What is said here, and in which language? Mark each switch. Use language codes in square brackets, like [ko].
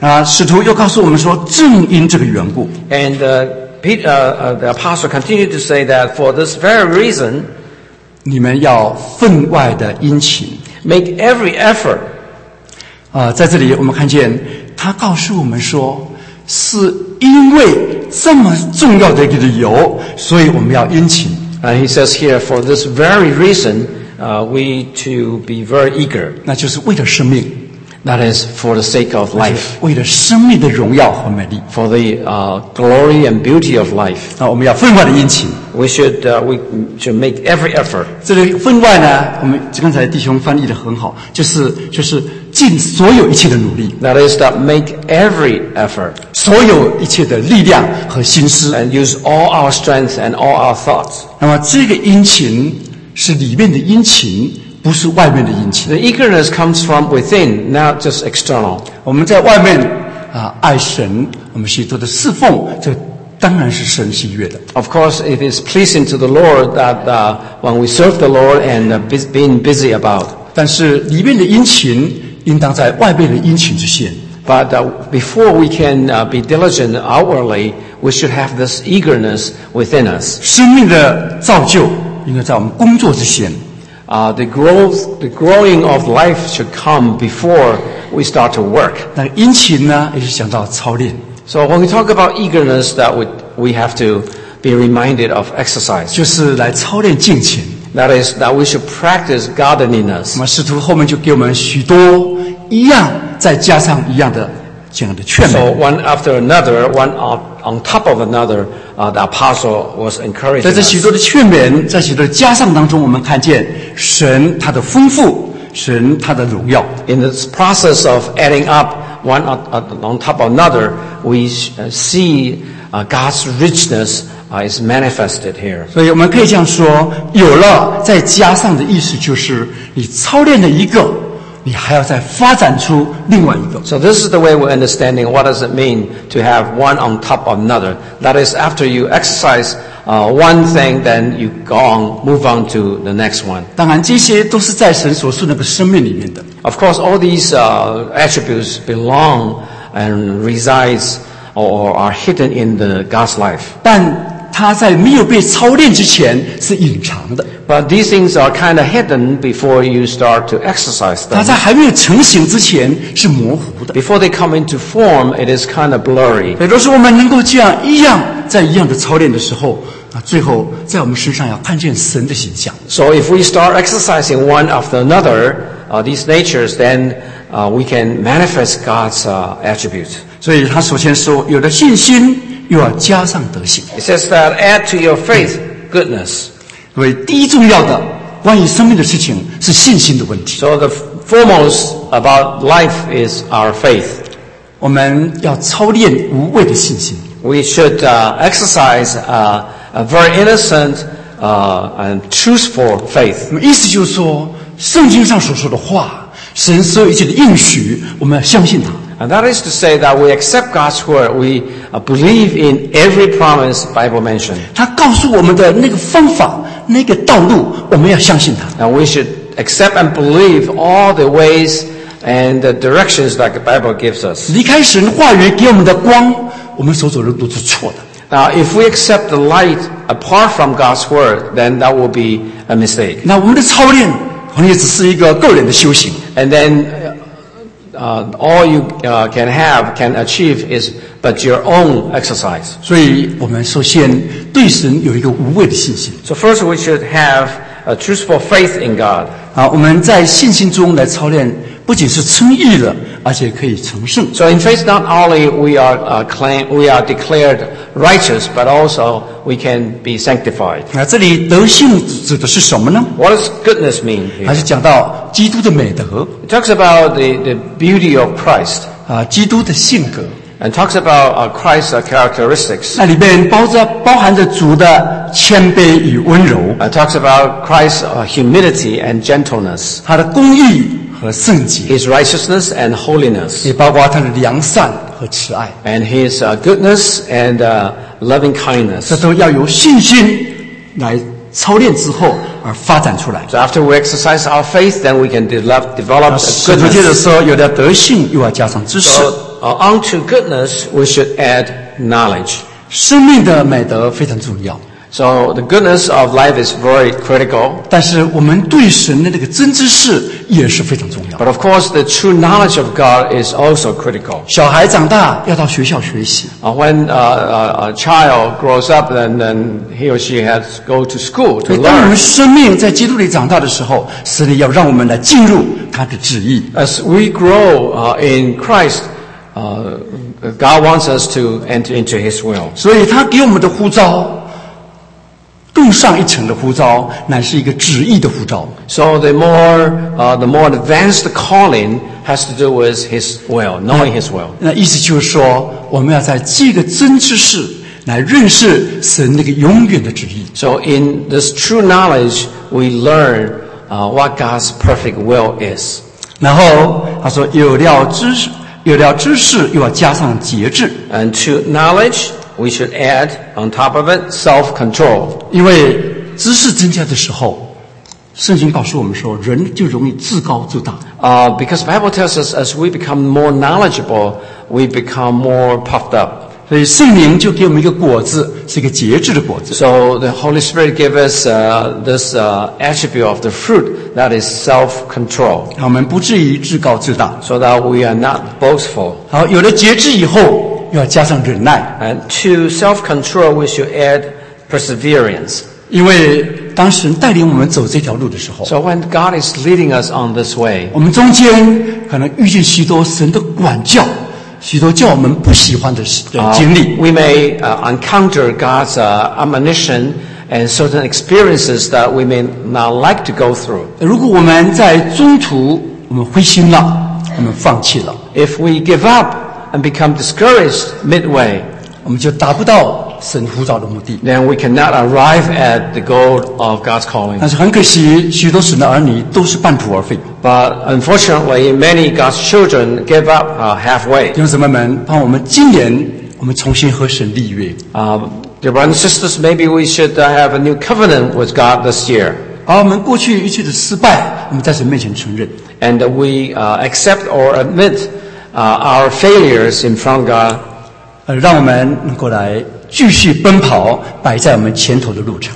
[zh] 使徒又告诉我们说正因这个缘故 [en] AndThe apostle continued to say that for this very reason, [zh] 你们要分外的殷勤 [en] make every effort. [zh] 在这里我们看见他告诉我们说，是因为这么重要的一个理由，所以我们要殷勤。 [en] He says here for this very reason, we to be very eager. [zh] 那就是为了生命。 [en] That is for the sake of life. [zh] 为了生命的荣耀和美丽。 [en] For the glory and beauty of life. [zh] 那我们要分外的殷勤。 [en] We should make every effort. [zh] 这个分外呢，我们刚才弟兄翻译的很好，就是尽所有一切的努力。 [en] That is to make every effort. [zh] 所有一切的力量和心思。 [en] And use all our strength and all our thoughts. [zh] 那么这个殷勤是里面的殷勤。不是外面的殷勤。 [en] The eagerness comes from within, not just external. [zh] 我们在外面爱神，我们许多的侍奉，这当然是神喜悦的。 [en] Of course, it is pleasing to the Lord that when we serve the Lord and being busy about. [zh] 但是里面的殷勤应当在外面的殷勤之先。 [en] But before we can be diligent outwardly, we should have this eagerness within us. [zh] 生命的造就应该在我们工作之先。 [en] The growing of life should come before we start to work. [zh] 那殷勤呢，也是想到操练。 [en] So when we talk about eagerness, that we have to be reminded of exercise. [zh] 就是来操练敬虔。 [en] That is that we should practice godliness. [zh] 那么使徒后面就给我们许多一样，再加上一样的这样的劝勉。 [en] So one after another, one on top of another, the apostle was encouraging. [zh] 在这许多的劝勉，在许多的加上当中，我们看见。神他的丰富，神他的荣耀。 [en] In the process of adding up one on top of another, we see God's richness is manifested here. [zh] 所以我们可以这样说，有了再加上的意思就是，你操练了一个，你还要再发展出另外一个。 [en] So this is the way we're understanding what does it mean to have one on top of another. That is after you exercise one thing, then you go on, move on to the next one. [zh] 当然这些都是在神所赐那个生命里面的。 [en] Of course, all these attributes belong and resides or are hidden in the God's life. [zh] 但他在没有被操练之前是隐藏的。 [en] But these things are kind of hidden before you start to exercise them. [zh] 他在还没有成型之前是模糊的。 [en] Before they come into form, it is kind of blurry. [zh] 也就是我们能够这样一样在一样的操练的时候，最后在我们身上要看见神的形象。 [en] So if we start exercising one after another, these natures, then we can manifest God's attributes. [zh] 所以他首先说，有了信心。又要加上德行。 [en] It says that add to your faith goodness. [zh] 所以第一重要的关于生命的事情是信心的问题。 [en] So the foremost about life is our faith. [zh] 我们要操练无畏的信心。 [en] We should exercise a very innocent and truthful faith. [zh] 意思就是说，圣经上所说的话，神所有一切的应许，我们要相信它。 [en] And that is to say that we accept God's word. We believe in every promise Bible mentioned. [zh] 他告诉我们的那个方法，那个道路，我们要相信他。 [en] And we should accept and believe all the ways and the directions that the Bible gives us. [zh] 离开神话语给我们的光，我们所走的路是错的。 [en] Now, if we accept the light apart from God's word, then that will be a mistake. [zh] 那我们的操练，可能也只是一个个人的修行。 [en] And then, all you can have, can achieve is but your own exercise. [zh] 所以我们首先对神有一个无畏的信心。 [en] So first we should have a truthful faith in God. [zh] 我们在信心中来操练，不仅是称义了，而且可以成圣。 [en] So in faith not only we are declared righteous, but also we can be sanctified. [zh] 这里德性指的是什么呢？ [en] What does goodness mean here? [zh] 还是讲到基督的美德。 [en] It talks about the beauty of Christ. [zh] 基督的性格。 [en] And talks about Christ's characteristics. [zh] 那里面包含着主的谦卑与温柔。 [en] Talks about Christ's humility and gentleness. [zh] 他的公义和圣洁。 [en] His righteousness and holiness. [zh] 也包括他的良善和慈爱。 [en] And his goodness and loving kindness. [zh] 这都要有信心来操练之后而发展出来。 [en] So after we exercise our faith, then we can develop goodness. [zh] 使徒接着说，有了德性，又要加上知识。 [en] Onto goodness, we should add knowledge. [zh] 生命的美德非常重要。 [en] So the goodness of life is very critical. [zh] 但是我们对神的那个真知识也是非常重要。 [en] But of course, the true knowledge of God is also critical. [zh] 小孩长大要到学校学习。 [en] When a child grows up, then he or she has to go to school to learn. [zh] 当我们生命在基督里长大的时候，神灵要让我们来进入他的旨意。 [en] As we grow in Christ, God wants us to enter into His will. [zh] 所以他给我们的呼召。更上一层的呼召，乃是一个旨意的呼召。 [en] So the more advanced calling has to do with His will, knowing His will. [zh] 那意思就是说，我们要在这个真知识来认识神那个永远的旨意。 [en] So in this true knowledge, we learn what God's perfect will is. [zh] 然后他说，有了知识，有了知识，又要加上节制。 [en] And true knowledge. We should add on top of it self-control. [zh] 因为知识增加的时候，圣经告诉我们说，人就容易自高自大。 [en] Because Bible tells us as we become more knowledgeable, we become more puffed up. [zh] 所以圣灵就给我们一个果子，是一个节制的果子。 [en] So the Holy Spirit gave us attribute of the fruit that is self-control. [zh] 让我们不至于自高自大。 [en] So that we are not boastful. [zh] 好，有了节制以后。要加上忍耐 [en] and to self-control we should add perseverance [zh] 因为当神带领我们走这条路的时候 [en] so when God is leading us on this way [zh] 我们中间可能遇见许多神的管教许多叫我们不喜欢的经历 [en] we may encounter God's admonition and certain experiences that we may not like to go through [zh] 如果我们在中途我们灰心了我们放弃了 [en] if we give upand become discouraged midway, [zh] 我们就达不到神呼召的目的。 [en] Then we cannot arrive at the goal of God's calling. [zh] 但是很可惜，许多神的儿女都是半途而废。 [en] But unfortunately, many God's children give up halfway. [zh] 弟兄姊妹们，帮我们今年，我们重新和神立约。 [en] Dear brothers and sisters, maybe we should have a new covenant with God this year. [zh] 把我们过去一切的失败，我们在神面前承认。 [en] And we accept or admit. Our failures in front of God, [zh] 让我们能够来继续奔跑，摆在我们前头的路程。